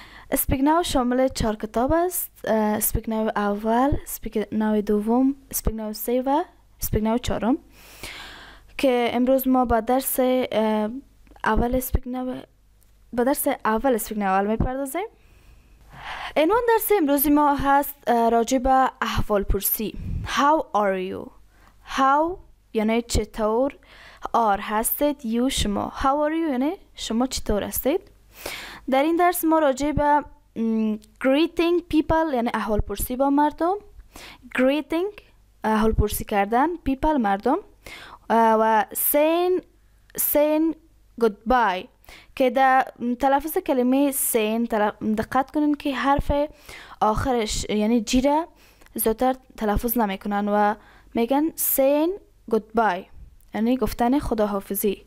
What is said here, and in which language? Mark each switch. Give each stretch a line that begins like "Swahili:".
Persian: اسپیک ناو شامل 4 کتاب است: اسپیک ناو اول، اسپیک ناو دوم، اسپیک ناو سه و اسپیک ناو چهارم، که امروز ما با درس اول اسپیک ناو با درس اول اسپیک ناو می پردازیم. عنوان درس امروزی ما هست راجع به احوال پرسی.
English: How are you؟
Persian: How یعنی چطور، are هستید، you شما،
English: how are you
Persian: یعنی شما چطور هستید. در این درس ما راجع به
English: greeting people
Persian: یعنی احوال پرسی با مردم، greeting احوال پرسی کردن، people مردم، و
English: saying goodbye
Persian: که در تلفظ کلمه سین دقت کنین که حرف آخرش یعنی جیره زودتر تلفظ نمیکنن و میگن سین گودبای یعنی گفتن خداحافظی.